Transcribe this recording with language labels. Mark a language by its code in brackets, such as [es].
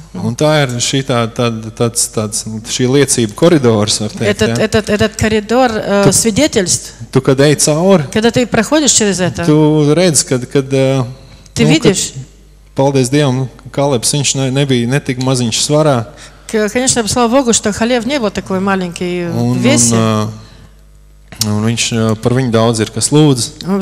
[lv] Un tā ir šī tāds, šī liecība koridors, var teikt, [ru] Этот коридор свидетельств. [lv] Tu kad ej cauri. [ru] Когда ты проходишь через это. [lv] Tu redz, kad [ru] ты видишь. [lv] Paldies Dievam, Kalebs, viņš nebija netik maziņš svarā. [ru] Конечно, слава Богу, что Халев не был такой маленький в весе. [lv] Un viņš par viņu daudz ir, kas lūdz.